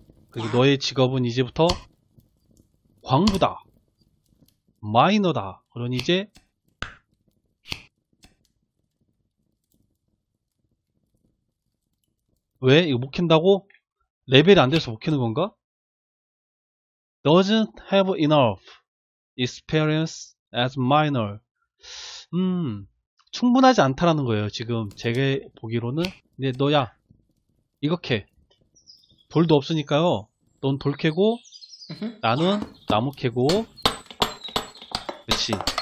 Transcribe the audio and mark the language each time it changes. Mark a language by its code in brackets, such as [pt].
[ko] 그리고 너의 직업은 이제부터 광부다. 마이너다. 그럼 이제 왜 이거 못 켠다고? 레벨이 안 돼서 못 켜는 건가? [en] Doesn't have enough experience as minor. [ko] 충분하지 않다라는 거예요. 지금 제게 보기로는. 근데 너야 이렇게 돌도 없으니까요. 넌 돌 캐고 나는 나무 캐고. 그렇지.